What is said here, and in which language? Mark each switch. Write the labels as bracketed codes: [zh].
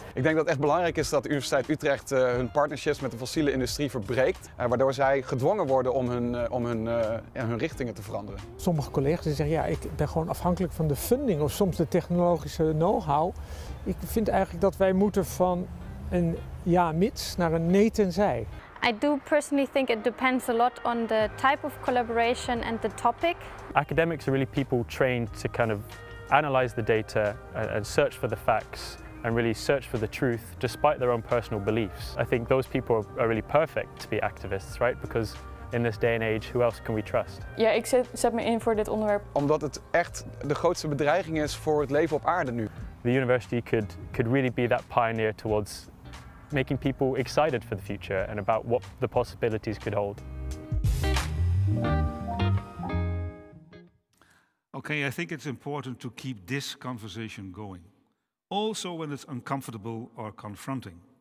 [nl] Ik denk dat het echt belangrijk is dat de Universiteit Utrecht hun partnerships met de fossiele industrie verbreekt, waardoor zij gedwongen worden om hun richtingen te veranderen. Sommige collega's zeggen ja, ik ben gewoon afhankelijk van de funding of soms de technologische know-how. Ik vind eigenlijk dat wij moeten van een ja-mits naar een nee-tenzij. [en] I do personally think it depends a lot on the type of collaboration and the topic. Academics are really people trained to kind of analyze the data and search for the facts and really search for the truth despite their own personal beliefs. I think those people are really perfect to be activists, right? Because in this day and age, who else can we trust? [nl] Ja, ik zet me in voor dit onderwerp. Omdat het echt de grootste bedreiging is voor het leven op aarde nu. [en] The university could really be that pioneer towards making people excited for the future and about what the possibilities could hold. Okay, I think it's important to keep this conversation going, also when it's uncomfortable or confronting.